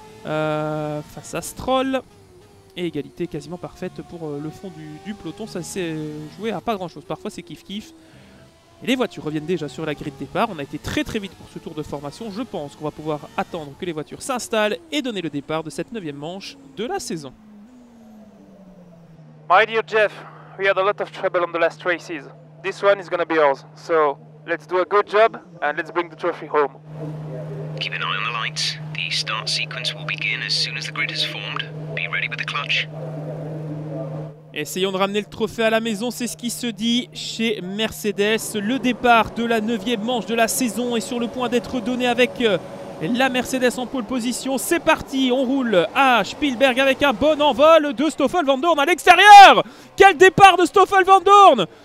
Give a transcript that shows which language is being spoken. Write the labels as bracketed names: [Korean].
[French] Face à Stroll. Et égalité quasiment parfaite pour le fond du peloton. Ça s'est joué à pas grand-chose. Parfois, c'est kiff-kiff. Et les voitures reviennent déjà sur la grille de départ. On a été très très vite pour ce tour de formation. Je pense qu'on va pouvoir attendre que les voitures s'installent et donner le départ de cette 9e manche de la saison. [English] My dear Jeff, we had a lot of trouble on the last races. This one is gonna be yours. So let's do a good job and let's bring the trophy home. Keep an eye on the lights. The start sequence will begin as soon as the grid is formed. Be ready with the clutch. [French] Essayons de ramener le trophée à la maison, c'est ce qui se dit chez Mercedes. Le départ de la 9e manche de la saison est sur le point d'être donné avec la Mercedes en pole position. C'est parti, on roule à Spielberg avec un bon envol de Stoffel Van Doorn à l'extérieur. Quel départ de Stoffel Van Doorn!